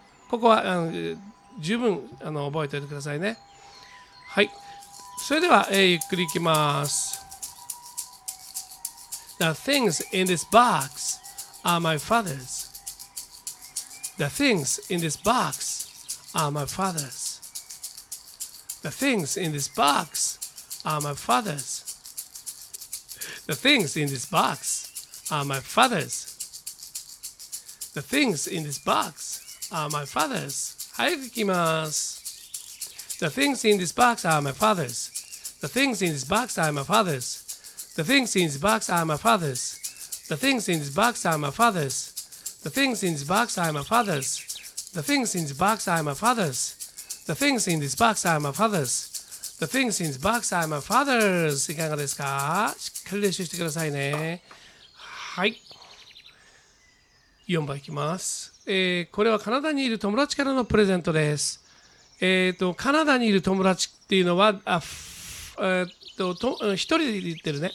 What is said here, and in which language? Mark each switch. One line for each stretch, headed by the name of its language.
Japanese: ここは十分覚えておいてくださいね。はい、それでは、ゆっくりいきます。
English: The things in this box are my father's. The things in this box are my father's. The things in this box are my father's. The things in this box are my father's. The things in this box are my father's.
Japanese: はい、いきます。
English: The things in this box are my father's. The things in this box are my father's. The things in this box are my father's. The things in this box are my father's. The things in this box are my father's. The things in this box are my father's. The things in this box are my father's. The things in this box are my father's.
Japanese: いかがですか？しっかり練習してくださいね。はい。4番いきます。これはカナダにいる友達からのプレゼントです。カナダにいる友達っていうのは、一人で言ってるね。